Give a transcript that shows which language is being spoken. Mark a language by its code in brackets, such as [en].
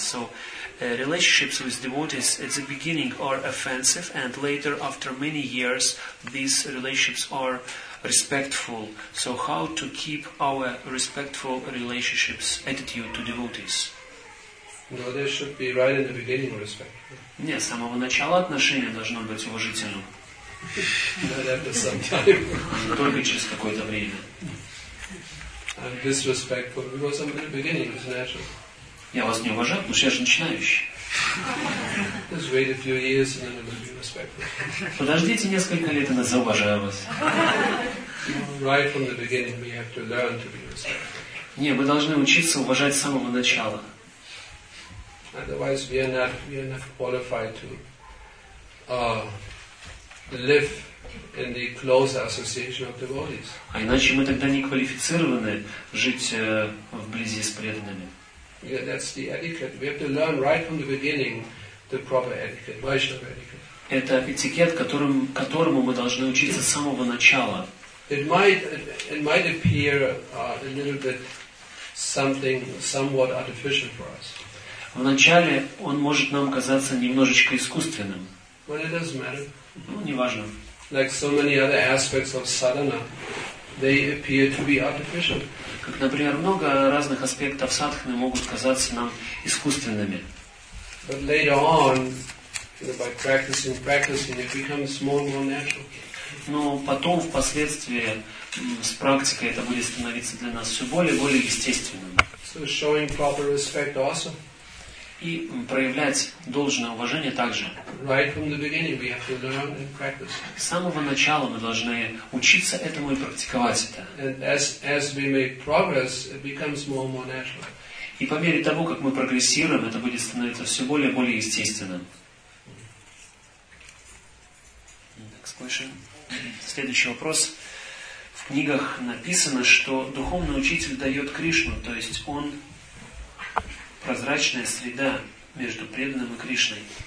[en] So relationships with devotees at the beginning are offensive, and later, after many years, these relationships are respectful. So how to keep our respectful relationships attitude to devotees? No, there should be right in the beginning respect. [ru] Нет, с самого начала отношения должно быть уважительным. [en] Not after some time. [ru] Только через какое-то время. [en] I'm disrespectful because I'm in the beginning, it's natural. [ru] Я вас не уважаю, потому что я же начинающий. [en] Just wait a few years and then I'm going to be respectful. [ru] Подождите несколько лет, и я зауважаю вас. [en] Right from the beginning we have to learn to be respectful. [ru] Не, мы должны учиться уважать с самого начала. [en] Otherwise we are not qualified to live in the close association of devotees. [ru] А иначе мы тогда не квалифицированы жить вблизи с преданными. [en] Yeah, that's the etiquette. We have to learn right from the beginning the proper etiquette, Vaishnava etiquette. [ru] Это этикет, которому мы должны учиться с самого начала. [en] It might appear a little bit somewhat artificial for us. [ru] Вначале он может нам казаться немножечко искусственным. [en] But it doesn't matter. [ru] Ну, неважно. [en] Like so many other aspects of sadhana, they appear to be artificial. [ru] Как, например, много разных аспектов садхны могут казаться нам искусственными. [en] But later on, you know, by practicing, it becomes more and more natural. [ru] Но потом, впоследствии, с практикой это будет становиться для нас все более и более естественным. [en] So showing proper respect also. [ru] И проявлять должное уважение также. [en] Right from the beginning we have to learn and practice. [ru] С самого начала мы должны учиться этому и практиковать это. [en] And as we make progress, it becomes more and more natural. [ru] И по мере того, как мы прогрессируем, это будет становиться все более и более естественным. [en] Next question. [ru] Следующий вопрос. В книгах написано, что духовный учитель дает Кришну, то есть он прозрачная среда между преданным и Кришной.